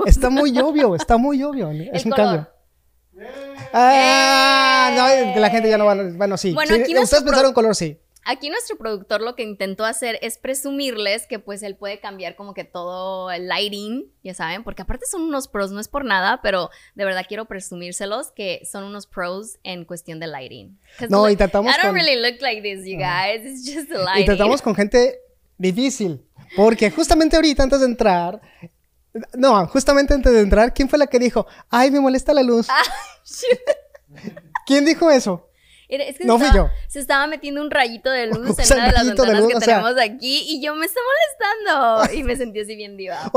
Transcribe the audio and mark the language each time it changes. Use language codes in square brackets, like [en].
[es] Está muy obvio. Es un cambio. No, la gente ya no va. Bueno, sí. Ustedes pensaron color, sí. Aquí nuestro productor lo que intentó hacer es presumirles que pues él puede cambiar como que todo el lighting, ya saben, porque aparte son unos pros, no es por nada, pero de verdad quiero presumírselos que son unos pros en cuestión de lighting. No, y tratamos [en] con... I don't really look like this, you guys, it's just the lighting. [es] Y tratamos con gente difícil, porque justamente ahorita antes de entrar, ¿quién fue la que dijo, ay, me molesta la luz? ¿Quién dijo eso? Es que se estaba metiendo un rayito de luz en una de las ventanas tenemos aquí y yo me estaba molestando y me sentí así bien diva.